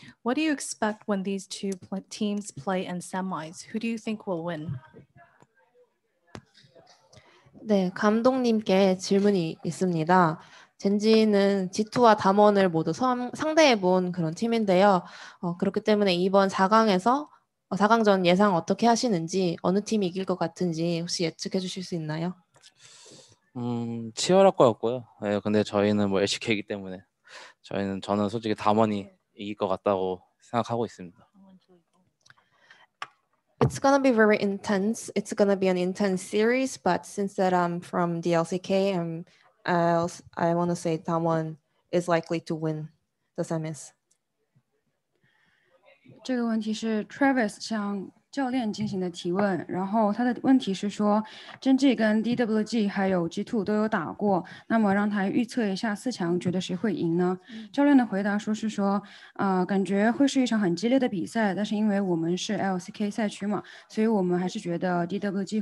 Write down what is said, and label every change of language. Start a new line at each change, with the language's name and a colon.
English: What do you expect when these two teams play in semis? Who do you think will win?
Korean: 네, 감독님께 질문이 있습니다. 젠지는 G2와 담원을 모두 상대해 본 그런 팀인데요. 그렇기 때문에 이번 4강에서 4강전 예상 어떻게 하시는지 어느 팀이 이길 것 같은지 혹시 예측해 주실 수 있나요? 치열할 것 같고요. 네, 근데 저희는 뭐 LCK이기 때문에 저는 솔직히 담원이 이길 것 같다고 생각하고 있습니다.
English: It's going to be very intense. It's going to be an intense series, but since that I'm from the LCK, I want to say Damwon is likely to win the semis?
Chinese: 这个问题是 Travis 向教练进行的提问，然后他的问题是说 Gen.G 跟 DWG 还有 G2 都有打过，那么让他预测一下四强，觉得谁会赢呢？教练的回答说是说，感觉会是一场很激烈的比赛，但是因为我们是 LCK 赛区嘛，所以我们还是觉得 DWG